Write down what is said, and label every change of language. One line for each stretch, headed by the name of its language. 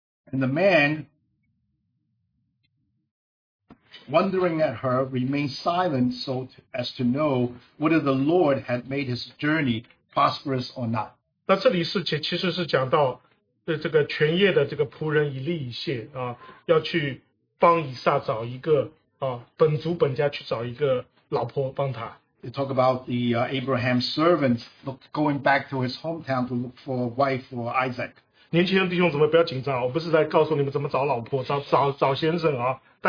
English: And the man, wondering at her, remained silent so as to know whether the Lord had made his journey prosperous or not.
Chinese: 那这里是其实是讲到这个全业的这个仆人以利以谢，要去帮以撒找一个本族本家去找一个老婆帮他。They
English: talk about the Abraham's servant going back to his hometown to look for a wife for Isaac.
Chinese: 年轻人弟兄怎么不要紧张，我不是在告诉你们怎么找老婆，找先生啊。